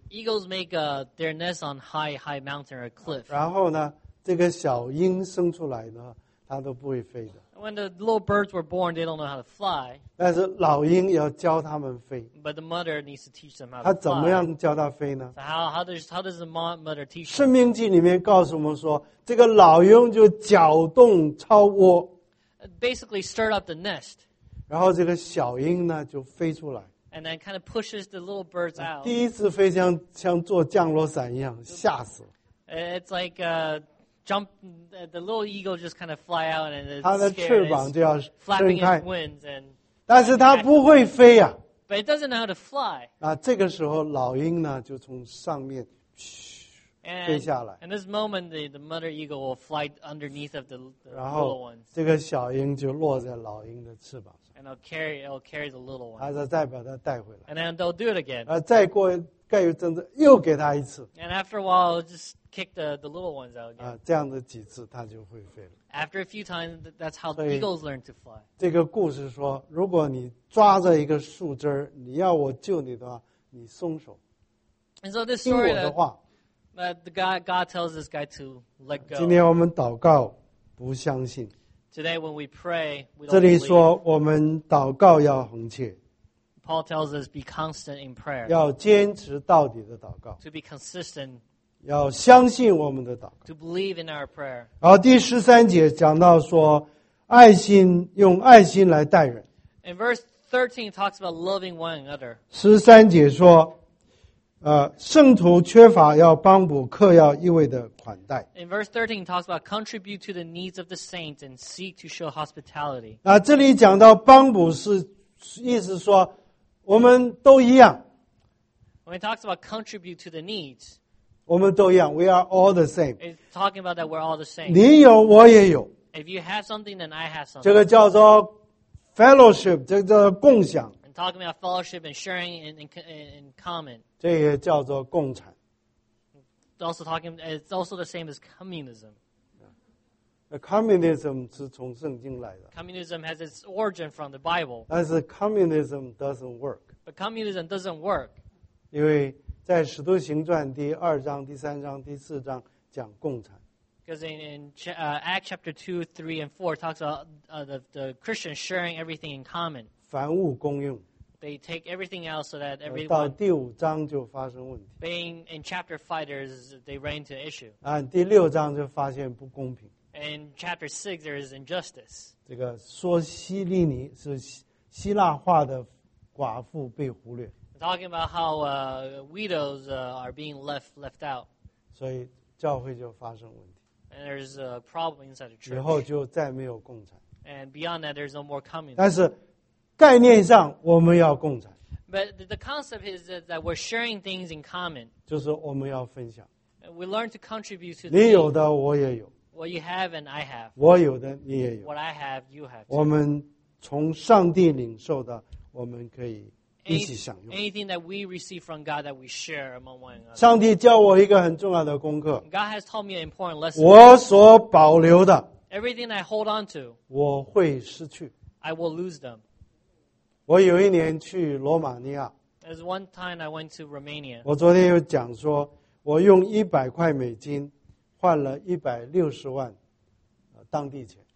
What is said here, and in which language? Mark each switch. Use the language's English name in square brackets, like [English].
[English] Eagles make their nest on high mountain or cliff. [Chinese] 然后呢，这个小鹰生出来呢，它都不会飞的。 [English] When the little birds were born, they don't know how to fly. [Chinese] 但是老鹰要教他们飞。 [English] But the mother needs to teach them how to fly. [Chinese] 他怎么样教他飞呢 [English] ？So how does the mother teach them? [Chinese] 生命记里面告诉我们说，这个老鹰就搅动巢窝 [English] ，basically stir up the nest. [Chinese] 然后这个小鹰呢就飞出来。 [English] And then kind of pushes the little birds out. [Chinese] 第一次飞像做降落伞一样，吓死了。 [English] It's like Jump, the little eagle just kind of fly out and it's [Chinese] 它的翅膀就要 [English] flapping its wings and. [Chinese] 但是它不会飞呀、啊。 [English] But it doesn't know how to fly. [Chinese] 啊，这个时候老鹰呢就从上面，飞下来。 [English] And this moment, the mother eagle will fly underneath of the little ones. [Chinese] 然后这个小鹰就落在老鹰的翅膀上。 [English] And it'll carry the little one. [Chinese] 它再把它带回来。 [English] And then they'll do it again. [Chinese] 啊，再过盖又真的又给它一次。 [English] And after a while, just kick the little ones out again. [Chinese] 啊，这样的几次它就会飞了。 [English] After a few times, that's how the eagles learn to fly. [Chinese] 这个故事说，如果你抓着一个树枝儿，你要我救你的话，你松手。 [English] And so this story, [Chinese] 听我的话。 [English] That God tells this guy to let go. [Chinese] 今天我们祷告不相信。 [English] Today when we pray, we don't believe. [Chinese] 这里说我们祷告要恒切。 [English] Paul tells us be constant in prayer. [Chinese] 要坚持到底的祷告。 [English] To be consistent. [Chinese] 要相信我们的祷告。 [English] To believe in our prayer. [Chinese] 然后第十三节讲到说，爱心用爱心来待人。 [English] In verse 13 talks about loving one another. [Chinese] 13节说，圣徒缺乏要帮补客要意味的款待。 [English] In verse 13 talks about contribute to the needs of the saints and seek to show hospitality. [Chinese] 那这里讲到帮补是意思说我们都一样。 [English] When it talks about contribute to the needs, [Chinese] 我们都一样 [English] we are all the same. It's talking about that we're all the same. [Chinese] 你有我也有。 [English] If you have something, then I have something. [Chinese] 这个叫做 fellowship, 这个叫共享。 [English] And talking about fellowship and sharing in common. [Chinese] 这也叫做共产。 [English] It's also the same as communism. [Chinese] Communism 是从圣经来的。 [English] Communism has its origin from the Bible. [Chinese] 但是 [English] communism doesn't work. But communism doesn't work. [Chinese] 因为在《使徒行传》第二章、第三章、第四章讲共产。 [English] Because in Acts chapter 2, 3, and 4 talks about the Christians sharing everything in common. [Chinese] 凡物公用。 [English] They take everything else so that everyone. [Chinese] 到第五章就发生问题。 [English] Being in chapter 5, they ran into issue. [Chinese] 第六章就发现不公平。 [English] In chapter 6, there is injustice. [Chinese] 这个说希利尼是希腊化的寡妇被忽略。 [English] Talking about how widows are being left out. [Chinese] 所以教会就发生问题。 [English] And there's a problem inside the church. [Chinese] 以后就再没有共产。 [English] And beyond that, there's no more communism. [Chinese] 但是概念上我们要共产。 [English] But the concept is that we're sharing things in common. [Chinese] 就是我们要分享。 [English] We learn to contribute to the [Chinese] 你有的我也有。 [English] What you have and I have. [Chinese] 我有的你也有。 [English] What I have, you have too. [Chinese] 我们从上帝领受的我们可以一起享用 [English] anything that we receive from God that we share among one another. [Chinese] 上帝教我一个很重要的功课 [English] God has taught me an important lesson. [Chinese] 我所保留的 [English] everything I hold on to, [Chinese] 我会失去 [English] I will lose them. [Chinese] 我有一年去罗马尼亚 [English] There's one time I went to Romania. [Chinese] 我昨天又讲说我用100块美金换了160万当地钱